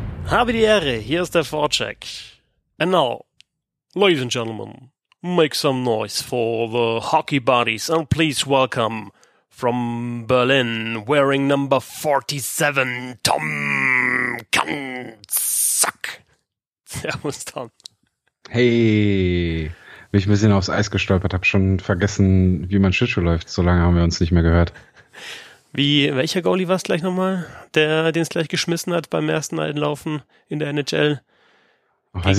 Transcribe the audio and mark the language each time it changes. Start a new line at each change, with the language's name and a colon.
German: Habe die Ehre, hier ist der Vollcheck.
English: And now, ladies and gentlemen, make some noise for the hockey buddies and please welcome from Berlin, wearing number 47, Tom Kanzak.
German: Servus, Tom. Hey, bin ich ein bisschen aufs Eis gestolpert, hab schon vergessen, wie mein Schlittschuh läuft. So lange haben wir uns nicht mehr gehört. Welcher Goalie war es gleich nochmal, der den es gleich geschmissen hat beim ersten Einlaufen in der NHL? Ach, weiß